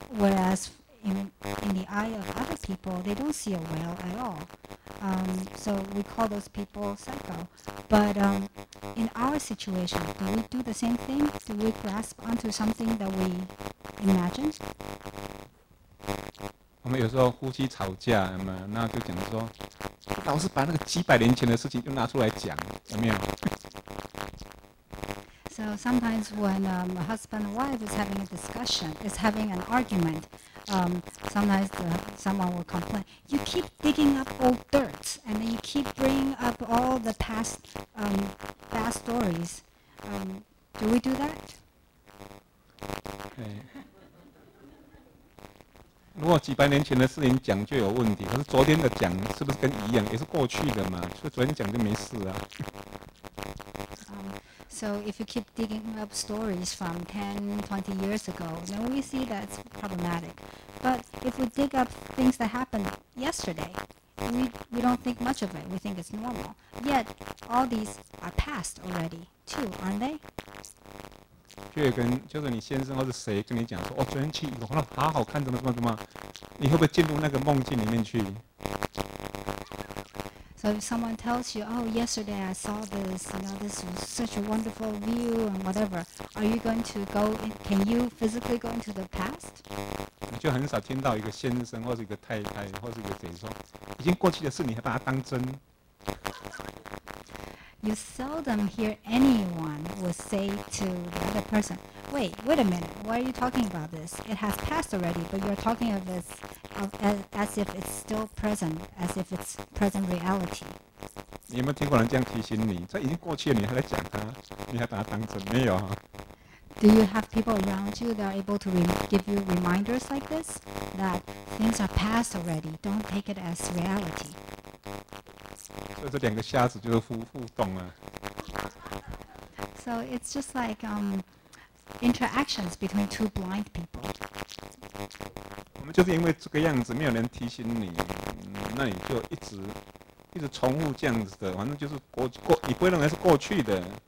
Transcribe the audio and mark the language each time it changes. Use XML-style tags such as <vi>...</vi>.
<en>Whereas in the eye of other people, they don't see a whale at all. So we call those people psycho. But in our situation, do we do the same thing? Do we grasp onto something that we imagine?</en> <zh>我们有时候夫妻吵架，有没有？那就讲说，老是把那个几百年前的事情又拿出来讲，有没有？</zh> <en>So sometimes when a husband and wife is having a discussion, is having an argument, sometimes someone will complain. You keep digging up old dirt, and then you keep bringing up all the past bad stories. Do we do that? Okay.</en> <zh>如果几百年前的事情讲就有问题，可是昨天的讲是不是跟一样，也是过去的嘛？所以昨天讲就没事啊。</zh> <en>So if you keep digging up stories from 10, 20 years ago, then we see that's problematic. But if we dig up things that happened yesterday, we don't think much of it. We think it's normal. Yet, all these are past already, too, aren't they?</en> <zh>就是你先生或是谁跟你讲说，哦，昨天去一个好好看，怎么，你会不会进入那个梦境里面去？</zh> <en>So if someone tells you, oh, yesterday I saw this, you know, this was such a wonderful view and whatever, are you going to go in, can you physically go into the past?</en> <zh>你就很少听到一个先生或是一个太太或是一个谁说，已经过去的事你还把它当真。</zh> <en>You seldom hear anyone will say to the other person, wait a minute, why are you talking about this? It has passed already, but you're talking of this as if it's still present, as if it's present reality.</en> <zh>你有没有听过人这样提醒你？这已经过去了，你还在讲它，你还把它当真？没有啊。</zh> <en>Do you have people around you that are able to give you reminders like this? That things are past already, don't take it as reality.</en> <zh>所以这两个瞎子就是互动啊。</zh> <en>So it's just like interactions between two blind people.</en> <zh>我们就是因为这个样子，没有人提醒你，那你就一直重复这样子的，反正就是过，你不会认为是过去的。</zh>